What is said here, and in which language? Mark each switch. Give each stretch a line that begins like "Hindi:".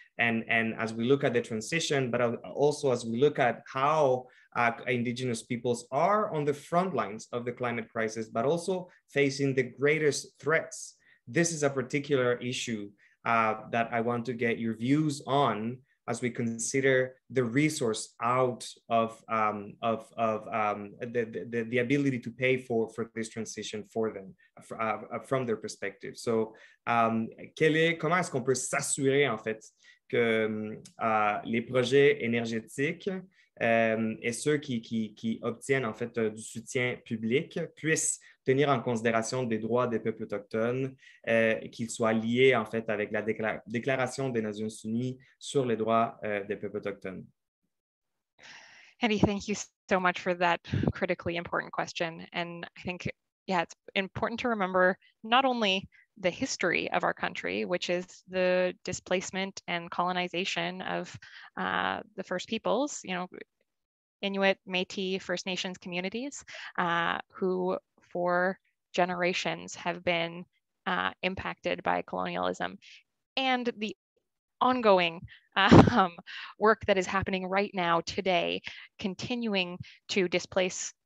English: And as we look at the transition, but also as we look at how Indigenous peoples are on the front lines of the climate crisis, but also facing the greatest threats, this is a particular issue that I want to get your views on as we consider the resource out of the ability to pay for this transition for them from their perspective.
French: So, comment est-ce qu'on peut s'assurer en fait que les projets énergétiques et ceux qui obtiennent en fait du soutien public puissent tenir en considération des droits des peuples autochtones, qu'ils soient liés en fait avec la déclaration des Nations Unies sur les droits des peuples autochtones.
English: Eddie, thank you so much for that critically important question. And I think, yeah, it's important to remember not only the history of our country, which is the displacement and colonization of the First Peoples, you know, Inuit, Métis, First Nations communities, who for generations have been impacted by colonialism, and the ongoing work that is happening right now, today, continuing to displace